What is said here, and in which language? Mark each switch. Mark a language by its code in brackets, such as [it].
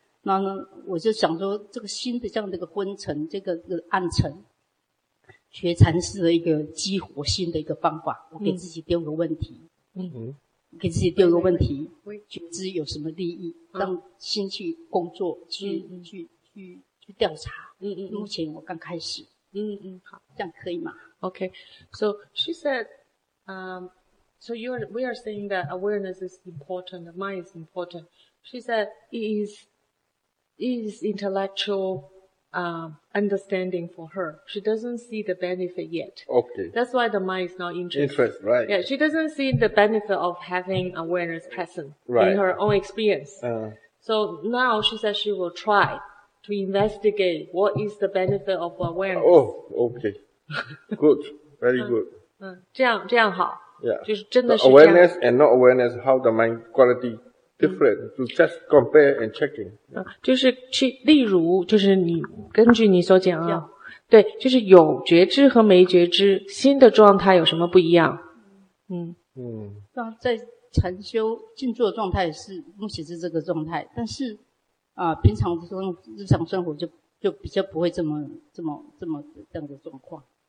[zh] 那呢，我就想说，这个新的这样的一个昏沉，这个暗沉，学禅师的一个激活心的一个方法，我给自己丢个问题，给自己丢个问题，觉知有什么利益，让心去工作，去调查。目前我刚开始。好，这样可以吗？ [en] Okay, so she said, we are saying that awareness is important, the mind is important. She said, it is intellectual, understanding for her. She doesn't see the benefit yet. Okay. That's why the mind is not interested. Interest, right. Yeah, she doesn't see the benefit of having awareness present right. in her own experience. So now she said she will try. to investigate what is the benefit of awareness. Oh, okay. Good. Very good. [zh] 这样好。 [en] Yeah. [zh] 就是真的是这样。 [en] Awareness and not awareness, how the mind quality different, to just compare and checking. Yeah. [zh] 就是去例如, 就是你根据你所讲啊, yeah. 对, 就是有觉知和没觉知, 新的状态有什么不一样? 在禅修静坐状态是目前是这个状态, 但是平常日常生活就比较不会这么这样的状况。